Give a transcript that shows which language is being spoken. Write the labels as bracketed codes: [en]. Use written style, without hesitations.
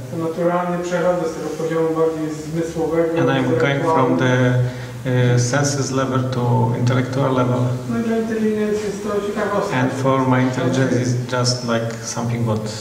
[pl] To naturalny przechodzę z tego poziomu bardziej zmysłowego. [en] And I'm going from the senses level to intellectual level. [pl] No, dla inteligencji jest to ciekawostka. [en] And for my intelligence is just like something what